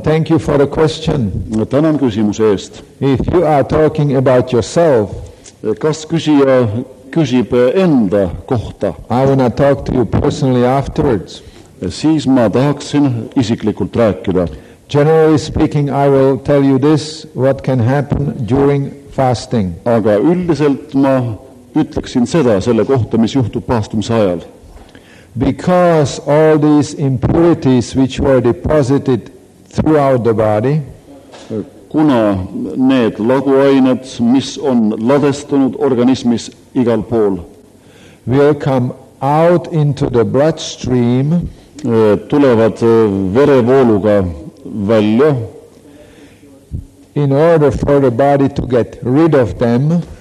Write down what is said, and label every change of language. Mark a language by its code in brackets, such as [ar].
[en] Thank you for the question. [et] Tänan küsimuse eest. [en] If you are talking about yourself, [et] kas küsija küsib enda kohta? [en] I want to talk to you personally afterwards. [et] Siis ma tahaksin isiklikult rääkida. [en] Generally speaking, I will tell you this, what can happen during fasting. [et] Aga üldiselt ma ütleksin seda selle kohta, mis juhtub paastumise ajal. [en] Because all these impurities which were deposited throughout the body, [et] kuna need laguained, mis on ladestunud organismis igal pool, [en] will come out into the bloodstream, [et] tulevad verevooluga välja, [en] in order for the body to get rid of them,